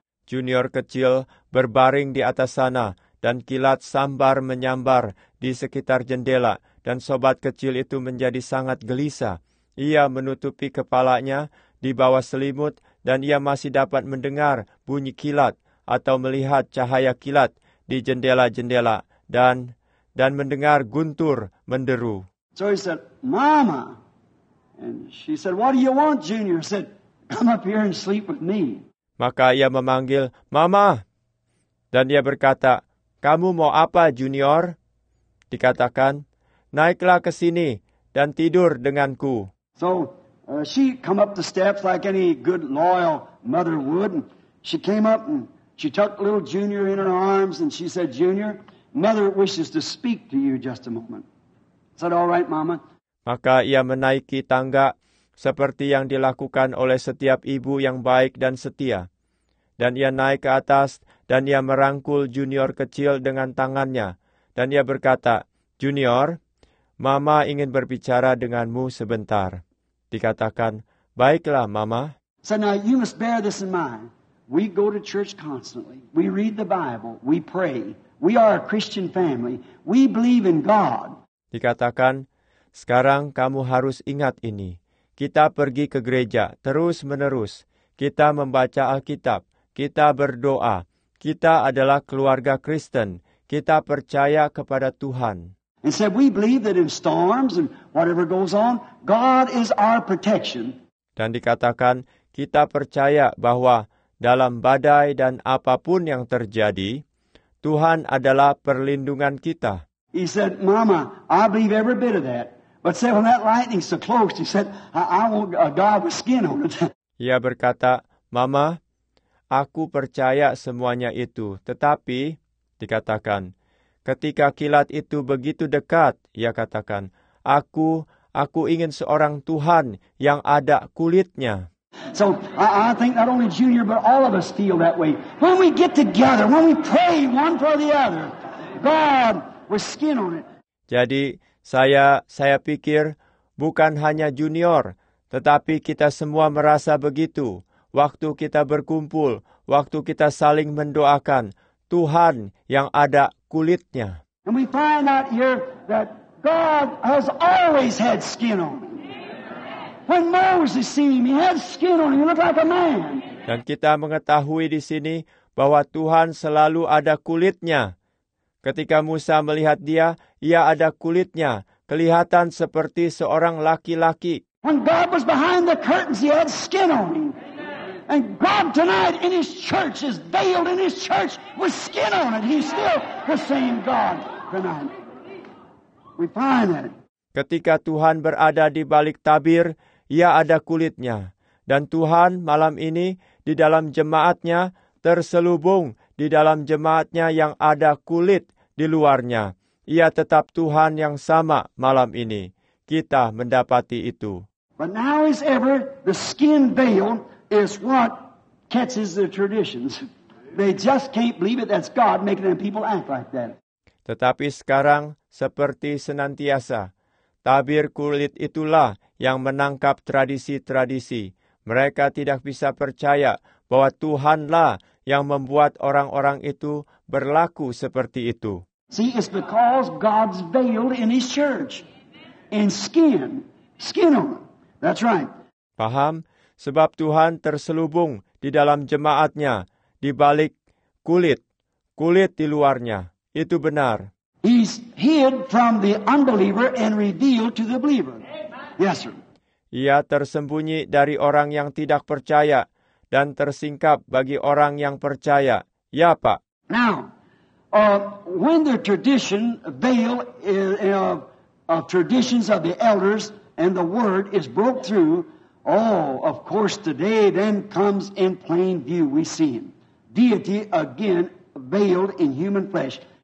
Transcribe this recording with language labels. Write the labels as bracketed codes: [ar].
[id] Junior kecil berbaring di atas sana, dan kilat sambar menyambar di sekitar jendela, dan sobat kecil itu menjadi sangat gelisah. Ia menutupi kepalanya di bawah selimut dan ia masih dapat mendengar bunyi kilat atau melihat cahaya kilat di jendela-jendela dan mendengar guntur menderu. [en] So he said, Mama. And she said, what do you want, Junior? He said, come up here and sleep with me. [id] Maka ia memanggil, Mama. Dan ia berkata, kamu mau apa, Junior? Dikatakan, naiklah ke sini dan tidur denganku. [en] So she come up the steps like any good loyal mother would, and she came up and she tucked little Junior in her arms and she said, Junior, mother wishes to speak to you just a moment. I said, all right, Mama. [id] Maka ia menaiki tangga seperti yang dilakukan oleh setiap ibu yang baik dan setia. Dan ia naik ke atas dan ia merangkul Junior kecil dengan tangannya. Dan ia berkata, Junior, Mama ingin berbicara denganmu sebentar. Dikatakan, baiklah, Mama. [en] So now you must bear this in mind. We go to church constantly. We read the Bible. We pray. We are a Christian family. We believe in God. [id] Dikatakan, sekarang kamu harus ingat ini. Kita pergi ke gereja terus-menerus. Kita membaca Alkitab. Kita berdoa. Kita adalah keluarga Kristen. Kita percaya kepada Tuhan. [en] And said, we believe that in storms and whatever goes on, God is our protection. [id] Dan dikatakan, kita percaya bahwa dalam badai dan apapun yang terjadi, Tuhan adalah perlindungan kita. [en] He said, Mama, I believe every bit of that. But said, when that lightning's so close, he said, I want a God with skin on it. [id] Ia berkata, Mama, aku percaya semuanya itu. Tetapi, dikatakan, ketika kilat itu begitu dekat, ia katakan, aku ingin seorang Tuhan yang ada kulitnya. [en] So, I think not only Junior, but all of us feel that way. When we get together, when we pray one for the other, God with skin on it. [id] Jadi, saya pikir bukan hanya Junior, tetapi kita semua merasa begitu. Waktu kita berkumpul, waktu kita saling mendoakan, Tuhan yang ada kulitnya. [en] And we find out here that God has always had skin on him. When Moses see him, he had skin on him. He looked like a man. [id] Dan kita mengetahui di sini bahwa Tuhan selalu ada kulitnya. Ketika Musa melihat dia, ia ada kulitnya, kelihatan seperti seorang laki-laki. [en] When God was behind the curtains, he had skin on him. And God tonight in his church is veiled in his church with skin on it. He's still the same God tonight. We find that. [id] Ketika Tuhan berada di balik tabir, ia ada kulitnya. Dan Tuhan malam ini di dalam jemaatnya terselubung di dalam jemaatnya yang ada kulit di luarnya. Ia tetap Tuhan yang sama malam ini. Kita mendapati itu. [en] But now as ever, the skin veil is what catches the traditions. They just can't believe it. That's God making them people act like that. [id] Tetapi sekarang seperti senantiasa, tabir kulit itulah yang menangkap tradisi-tradisi. Mereka tidak bisa percaya bahwa Tuhanlah yang membuat orang-orang itu berlaku seperti itu. [en] See, it's because God's veiled in his church. In skin. Skin on. That's right. [id] Paham? Sebab Tuhan terselubung di dalam jemaatnya, di balik kulit. Kulit di luarnya. Itu benar. [en] He's hid from the unbeliever and revealed to the believer. Yes, sir. [id] Ia tersembunyi dari orang yang tidak percaya dan tersingkap bagi orang yang percaya. Ya, Pak. [en] Now, when the tradition veil of traditions of the elders and the word is broke through, oh, of course, today then comes in plain view. We see him. Deity again veiled in human flesh.